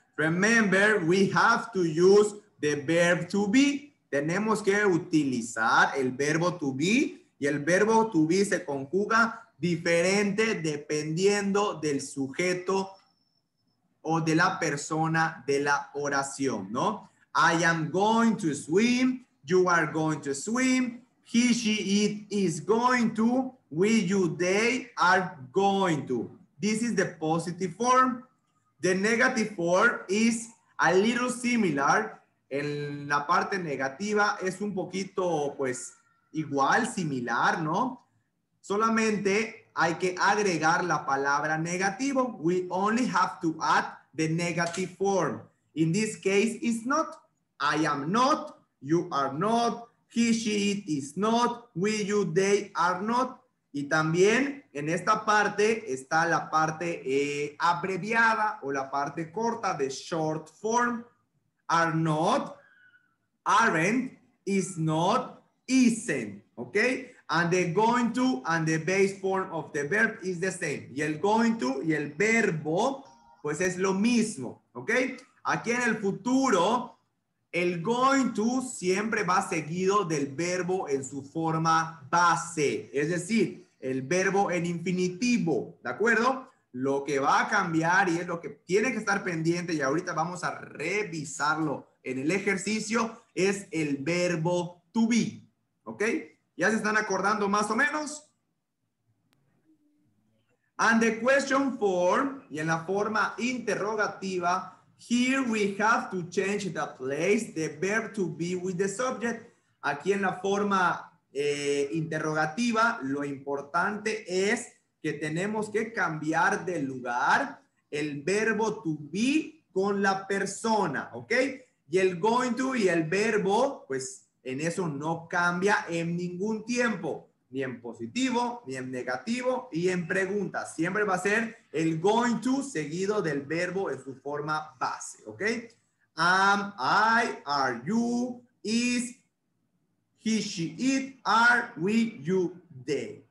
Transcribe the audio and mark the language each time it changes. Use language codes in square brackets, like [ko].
[en] Remember, we have to use the verb to be. [es] Tenemos que utilizar el verbo to be y el verbo to be se conjuga diferente dependiendo del sujeto o de la persona de la oración, ¿no? [en] I am going to swim, you are going to swim, he, she, it is going to, we, you, they are going to. This is the positive form. The negative form is a little similar. [es] En la parte negativa es un poquito, pues, igual, similar, ¿no? Solamente hay que agregar la palabra negativo. [en] We only have to add the negative form. In this case, it's not. I am not. You are not. He, she, it is not. We, you, they are not. [es] Y también en esta parte está la parte abreviada o la parte corta de short form. [en] Are not, aren't, is not, isn't. Okay? And the going to and the base form of the verb is the same. [es] Y el going to y el verbo, pues es lo mismo. Okay? Aquí en el futuro, el going to siempre va seguido del verbo en su forma base. Es decir, el verbo en infinitivo, ¿de acuerdo? Lo que va a cambiar y es lo que tiene que estar pendiente y ahorita vamos a revisarlo en el ejercicio, es el verbo to be, ¿ok? ¿Ya se están acordando más o menos? [en] And the question form, [es] y en la forma interrogativa, [en] here we have to change the place, the verb to be with the subject. [es] Aquí en la forma interrogativa, lo importante es que tenemos que cambiar de lugar el verbo to be con la persona, ¿ok? Y el going to y el verbo, pues en eso no cambia en ningún tiempo, ni en positivo, ni en negativo y en pregunta. Siempre va a ser el going to seguido del verbo en su forma base, ¿ok? [en] Am I, are you, is, he, she, it, are, we, you, they.